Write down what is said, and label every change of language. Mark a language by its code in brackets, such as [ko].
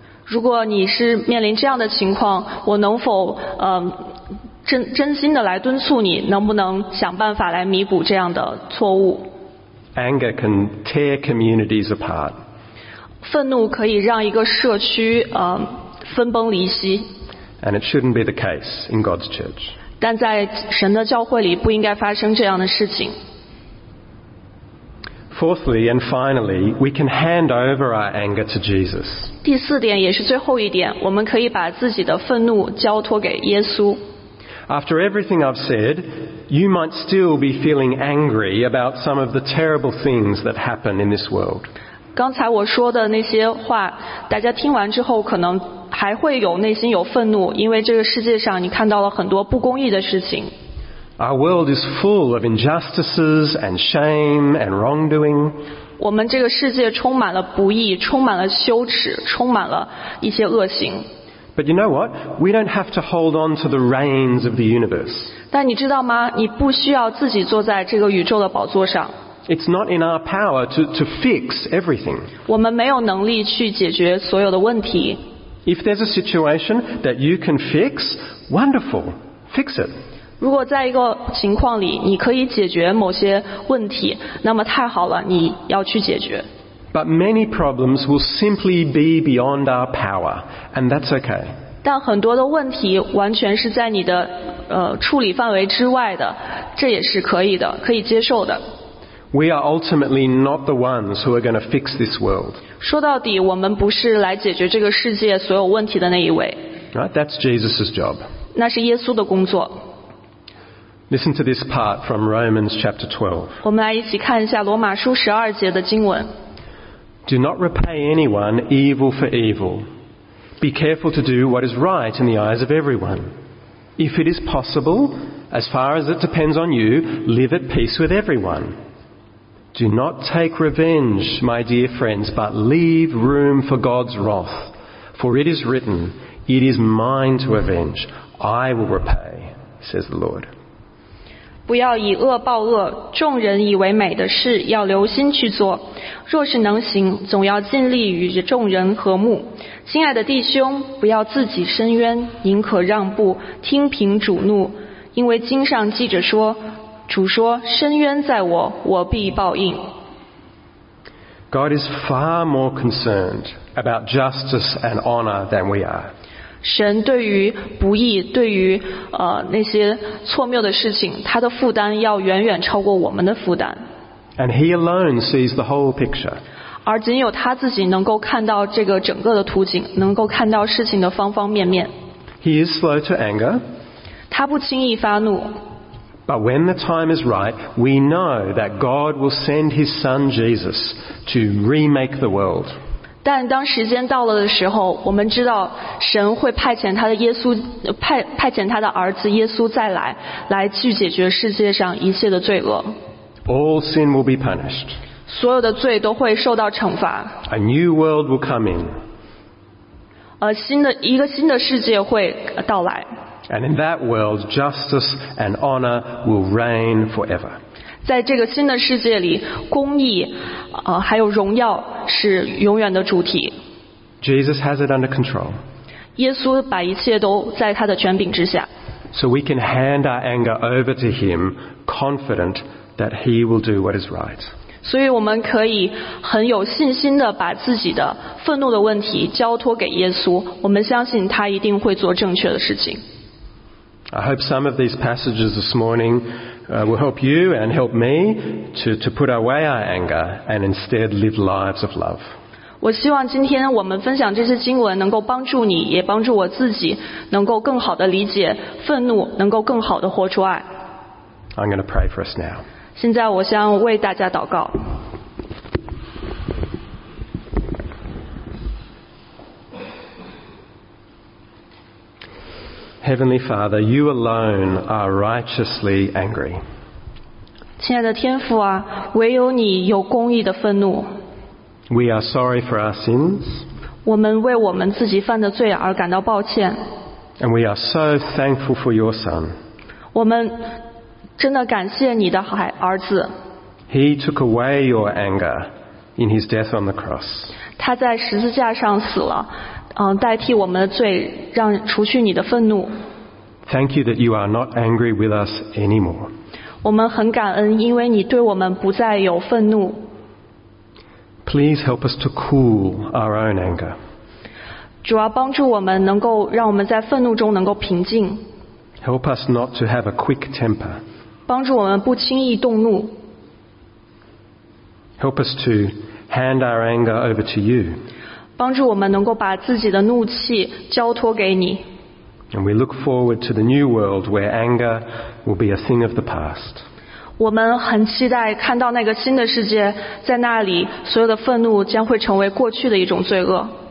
[zh] 如果你是面临这样的情况，我能否真心的来敦促你，能不能想办法来弥补这样的错误？ [en] Anger can tear communities apart. [zh] 愤怒可以让一个社区分崩离析。 [en] And it shouldn't be the case in God's church. [zh] 但在神的教会里不应该发生这样的事情。 [en] Fourthly and finally, we can hand over our anger to Jesus. [zh] 第四点也是最后一点，我们可以把自己的愤怒交托给耶稣。 [en] After everything I've said, you might still be feeling angry about some of the terrible things that happen in this world. [zh] 刚才我说的那些话，大家听完之后可能还会有内心有愤怒，因为这个世界上你看到了很多不公义的事情。 [en] Our world is full of injustices and shame and wrongdoing. [zh] 我们这个世界充满了不义，充满了羞耻，充满了一些恶行。 [en] But you know what? We don't have to hold on to the reins of the universe. [zh] 但你知道吗？你不需要自己坐在这个宇宙的宝座上。 [en] It's not in our power to fix everything. [zh] 我们没有能力去解决所有的问题。 [en] If there's a situation that you can fix, wonderful, fix it. [zh] 如果在一个情况里你可以解决某些问题，那么太好了，你要去解决。 [en] But many problems will simply be beyond our power, and that's okay. [zh] 但很多的问题完全是在你的处理范围之外的，这也是可以的，可以接受的。 [en] We are ultimately not the ones who are going to fix this world. [zh] 说到底，我们不是来解决这个世界所有问题的那一位。 [en] Right, that's Jesus's job. [zh] 那是耶稣的工作。 [en] Listen to this part from Romans chapter 12. [zh] 我们来一起看一下罗马书十二节的经文。 [en] Do not repay anyone evil for evil. Be careful to do what is right in the eyes of everyone. If it is possible, as far as it depends on you, live at peace with everyone. Do not take revenge, my dear friends, but leave room for God's wrath. For it is written, It is mine to avenge. I will repay, says the Lord. [zh] 不要以恶报恶，众人以为美的事要留心去做，若是能行，总要尽力与众人和睦。亲爱的弟兄，不要自己伸冤，宁可让步，听凭主怒，因为经上记着说，主说，伸冤在我，我必报应。 [en] God is far more concerned about justice and honor than we are. [zh] 神对于不义，对于那些错谬的事情，他的负担要远远超过我们的负担。 [en] And he alone sees the whole picture. [zh] 而仅有他自己能够看到这个整个的图景，能够看到事情的方方面面。 [en] He is slow to anger. [zh] 他不轻易发怒。 [en] But when the time is right, we know that God will send His Son Jesus to remake the world. [zh] 但当时间到了的时候，我们知道神会派遣他的耶稣，派遣他的儿子耶稣再来，来去解决世界上一切的罪恶。 [en] All sin will be punished. [zh] 所有的罪都会受到惩罚。 [en] A new world will come in. [zh] 一个新的世界会到来。 [en] And in that world, justice and honor will reign forever. [zh] 在这个新的世界里，公义，还有荣耀是永远的主题。 [en] Jesus has it under control. [zh] 耶稣把一切都在他的权柄之下。 [en] So we can hand our anger over to him, confident that he will do what is right. [zh] 所以我们可以很有信心地把自己的愤怒的问题交托给耶稣，我们相信他一定会做正确的事情。 [en] I hope some of these passages this morning will help you and help me to put away our anger and instead live lives of love. [zh] 我希望今天我们分享这些经文能够帮助你，也帮助我自己，能够更好地理解愤怒，能够更好地活出爱。 [en] I'm going to pray for us now. [zh] 现在我想为大家祷告。 [en] Heavenly Father, you alone are righteously angry. [zh] 亲爱的天父啊，唯有你有公义的愤怒。 [en] We are sorry for our sins. [zh] 我们为我们自己犯的罪而感到抱歉。 [en] And we are so thankful for your Son. [zh] 我们真的感谢你的儿子。 [en] He took away your anger in his death on the cross. [zh] 他在十字架上死了。代替我们的罪，让除去你的愤怒。 [en] Thank you that you are not angry with us anymore. [zh] 我们很感恩，因为你对我们不再有愤怒。 [en] Please help us to cool our own anger. [zh] 主要帮助我们能够让我们在愤怒中能够平静。 [en] Help us not to have a quick temper. [zh] 帮助我们不轻易动怒。 [en] Help us to hand our anger over to you. [zh] 帮助我们能够把自己的怒气交托给你。 [en] And we look forward to the new world where anger will be a thing of the past. [zh] 我们很期待看到那个新的世界，在那里所有的愤怒将会成为过去的一种罪恶。